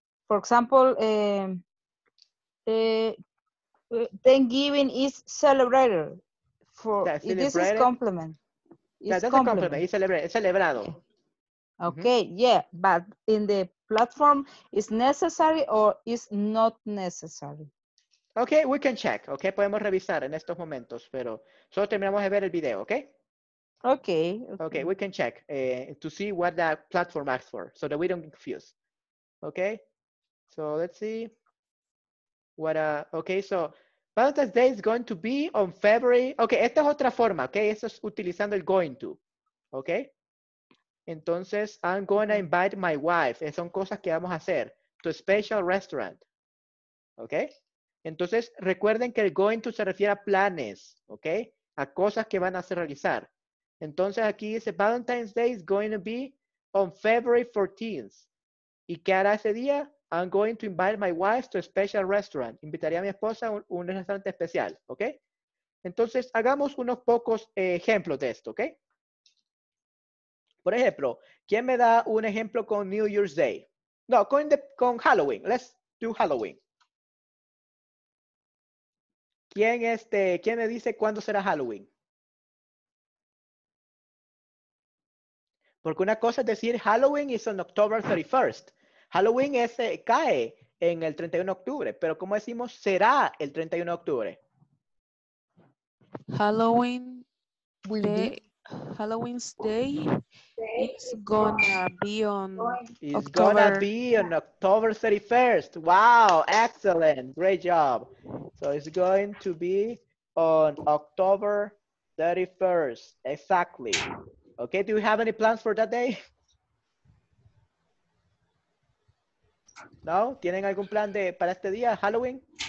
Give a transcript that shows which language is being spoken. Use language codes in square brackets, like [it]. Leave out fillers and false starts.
[en] For example, Thanksgiving is celebrated. This is complement. It's celebrado. Okay, mm-hmm. Yeah, but in the platform, is necessary or is not necessary? Okay, we can check. [es] Okay, podemos revisar en estos momentos, pero solo terminamos de ver el video, okay? [en] Okay. Okay, we can check to see what that platform asks for, so that we don't confuse. Okay, so let's see what. Okay, so Valentine's Day is going to be on February. [es] Okay, esta es otra forma. Okay, esto es utilizando el going to. Okay. Entonces, [en] I'm going to invite my wife. [es] Esas son cosas que vamos a hacer. [en] To a special restaurant. [es] ¿Ok? Entonces, recuerden que el going to se refiere a planes. ¿Ok? A cosas que van a hacer realizar. Entonces, aquí dice, Valentine's Day is going to be on February 14th. ¿Y qué hará ese día? [en] I'm going to invite my wife to a special restaurant. [es] Invitaría a mi esposa a un restaurante especial. ¿Ok? Entonces, hagamos unos pocos ejemplos de esto. ¿Ok? Por ejemplo, ¿quién me da un ejemplo con New Year's Day? No, con Halloween. [en] Let's do Halloween. [es] ¿Quién me dice cuándo será Halloween? Porque una cosa es decir [en] Halloween is on October 31st. [es] Halloween es, cae en el 31 de octubre, pero ¿cómo decimos será el 31 de octubre? [en] Halloween will be Halloween's day is gonna be on It's gonna be on October 31st. Wow, excellent. Great job. So it's going to be on October 31st. Exactly. Okay, do you have any plans for that day? No? [es] ¿Tienen algún plan de para este día, Halloween?